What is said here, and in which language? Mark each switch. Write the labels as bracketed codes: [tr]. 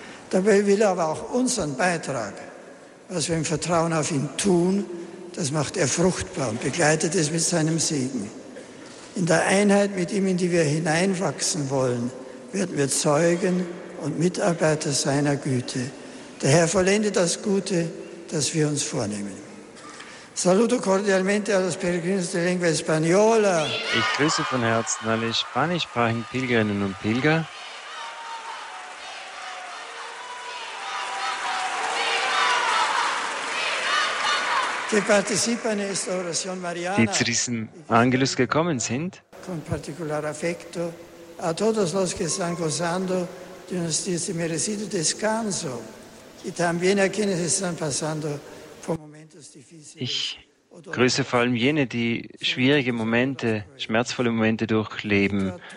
[de] Dabei will er aber auch unseren Beitrag, was wir im Vertrauen auf ihn tun, das macht er fruchtbar und begleitet es mit seinem Segen. In der Einheit mit ihm, in die wir hineinwachsen wollen, werden wir Zeugen und Mitarbeiter seiner Güte. Der Herr vollende das Gute, das wir uns vornehmen. [es] Saluto cordialmente a los peregrinos de lengua española. [de] Ich grüße von Herzen alle spanischsprachigen Pilgerinnen und Pilger. [es] Que participan en esta oración mariana. [de] Die zu diesem Angelus gekommen sind. [es] Con particular afecto a todos los que están gozando de un merecido descanso y también a quienes están pasando por momentos difíciles. [de] Ich grüße vor allem jene, die schwierige Momente, schmerzvolle Momente durchleben.